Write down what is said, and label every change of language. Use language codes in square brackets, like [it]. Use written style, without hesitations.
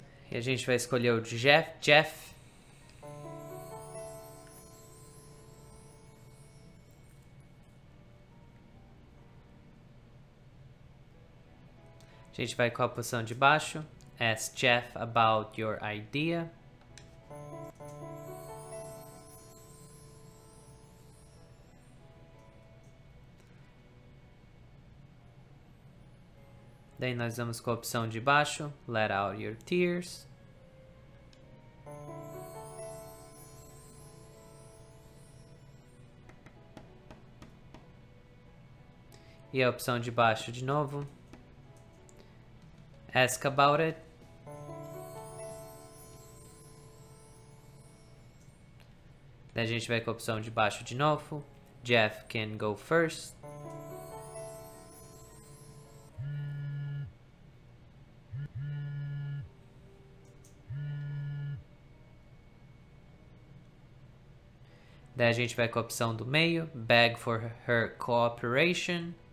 [pt] E a gente vai escolher o Jeff. A gente vai com a opção de baixo. [en] Ask Jeff about your idea. [pt] Daí nós vamos com a opção de baixo. [en] Let out your tears. [pt] E a opção de baixo de novo. [en] Ask about it. [pt] Daí a gente vai com a opção de baixo de novo. [en] Jeff can go first. [pt] Daí a gente vai com a opção do meio. [en] Beg for her cooperation.